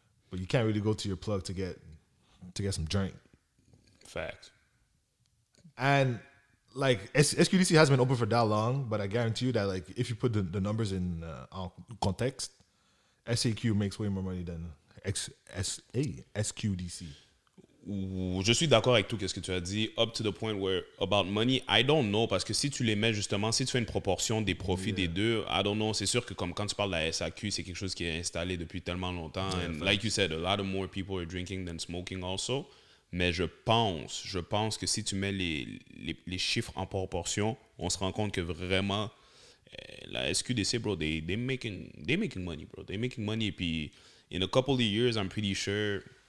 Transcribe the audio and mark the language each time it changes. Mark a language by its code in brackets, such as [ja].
[en] But you can't really go to your plug to get some drink. Facts. And like SQDC has been open for that long, but I guarantee you that like if you put the numbers in context, SAQ makes way more money than SQDC. [fr] Je suis d'accord avec tout ce que tu as dit. [en] Up to the point where about money, I don't know, [fr] parce que si tu les mets justement, si tu fais une proportion des profits des deux, [en] I don't know. [fr] C'est sûr que comme quand tu parles de la SAQ, c'est quelque chose qui est installé depuis tellement longtemps. [en] Yeah, and like you said, a lot of more people are drinking than smoking also. [fr] Mais je pense que si tu mets les chiffres en proportion, on se rend compte que vraiment, la SQDC, bro, [en] they're making money. [fr] Et puis, [en] in a couple of years, I'm pretty sure...